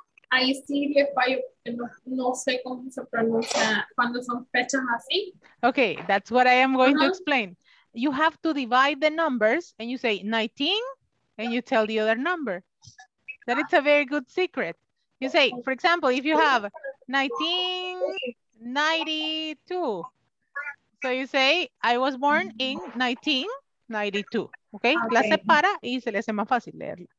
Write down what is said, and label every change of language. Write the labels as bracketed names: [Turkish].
[English] I see if I [Spanish] no sé cómo se pronuncia cuando son fechas así. [English] Okay, that's what I am going to explain. You have to divide the numbers and you say 19 and you tell the other number. That it's a very good secret. You say, for example, if you have 1992, so you say, I was born in 1992. Okay? [Spanish] La separa y se le hace más fácil leerla.